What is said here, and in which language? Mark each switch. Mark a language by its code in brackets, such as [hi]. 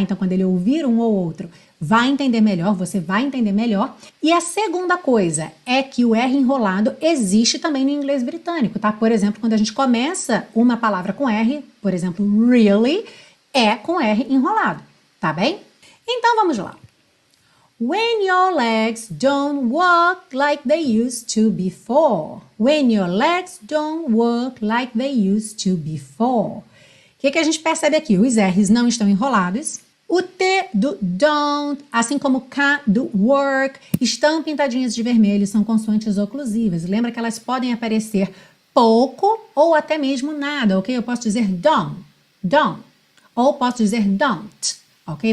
[pt] Então, quando ele ouvir um ou outro, vai entender melhor, você vai entender melhor. E a segunda coisa é que o R enrolado existe também no inglês britânico, tá? Por exemplo, quando a gente começa uma palavra com R, por exemplo, really, é com R enrolado, tá bem? Então, vamos lá. [en] When your legs don't work like they used to before. When your legs don't work like they used to before. [pt] Que a gente percebe aqui? Os R's não estão enrolados. O T do don't, assim como o K do work, estão pintadinhas de vermelho, são consoantes oclusivas. Lembra que elas podem aparecer pouco ou até mesmo nada, ok? Eu posso dizer don't, ou posso dizer don't, ok?